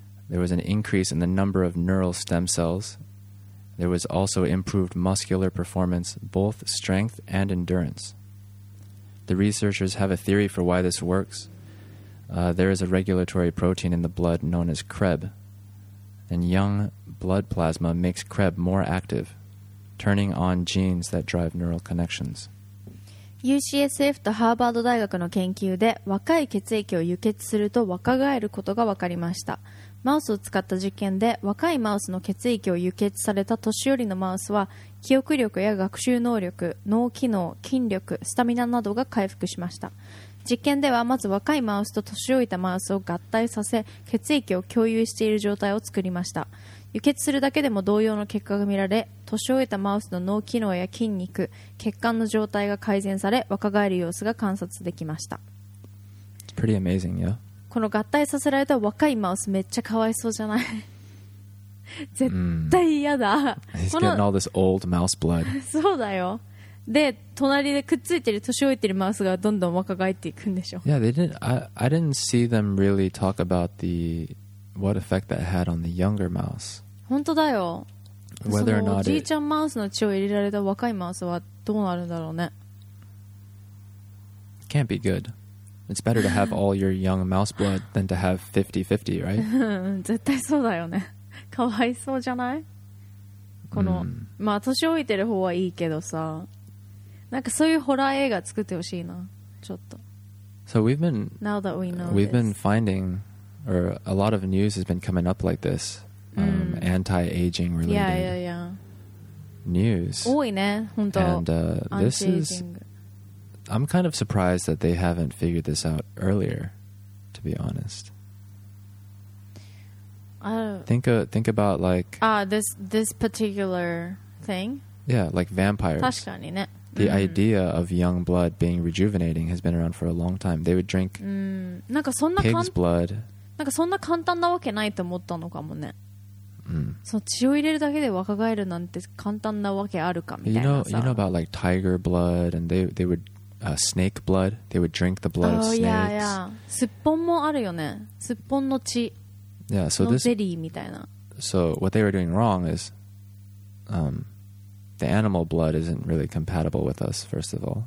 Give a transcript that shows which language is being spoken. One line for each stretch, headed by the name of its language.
English: There was an increase in the number of neural stem cells. There was also improved muscular performance, both strength and endurance. The researchers have a theory for why this works. There is a regulatory protein in the blood known as Krebs, and young blood plasma makes Krebs more active, turning on genes that drive neural connections.
Japanese: UCSF とハーバード大学の研究で若い血液を輸血すると若返ることが分かりました。マウスを使った実験で若いマウスの血液を輸血された年寄りのマウスは記憶力や学習能力、脳機能、筋力、スタミナなどが回復しました。実験ではまず若いマウスと年老いたマウスを合体させ血液を共有している状態を作りました。輸血するだけでも同様の結果が見られ、年老いたマウスの脳機能や筋肉、血管の状態が改善され若返る様子が観察できました。
English: It's pretty amazing, yeah?
Japanese: この合体させられた若いマウスめっちゃかわいそうじゃない絶対嫌だ、
English: mm. He's getting all this old mouse blood.
Japanese: そうだよ。で隣でくっついてる年老いてるマウスがどんどん若返っていくんでしょ。
English: Yeah, they didn't, I didn't see them really talk about the what effect that had on the younger mouse.
Japanese: 本当だよ。
English: Whether or not
Japanese: おじいちゃんマウスの血を入れられた若いマウスはどうなるんだろうね。
English: Can't be good. It's better to have all your young mouse blood than to have 50-50, right?
Japanese: 絶対そうだよね。かわいそうじゃない。この、mm. まあ年老いてる方はいいけどさ、なんかそういうホラー映画作ってほしいな、ちょっと。
English: So we've been now that we know we've this. been finding, or a lot of news has been coming up like this,、anti-aging related news.
Japanese: 多いね、本当。
English: And this is, I'm kind of surprised that they haven't figured this out earlier, to be honest. Think about like this particular thing. Yeah, like vampires.
Japanese: 確かにね。
English: The idea of young blood being rejuvenating has been around for a long time. They would drink pig's blood.
Japanese: なんかそんな簡単なわけないと思ったのかもね。その血を入れるだけで若返るなんて簡単なわけあるかみたいなさ。
English: You know about like tiger blood and they would snake blood. They would drink the blood of snakes. Oh yeah, yeah.
Japanese: スッポンもあるよね。スッポンの血。
English: Yeah, so this
Japanese: ゼリーみたいな。
English: So what they were doing wrong is, The animal blood isn't really compatible with us, first of all.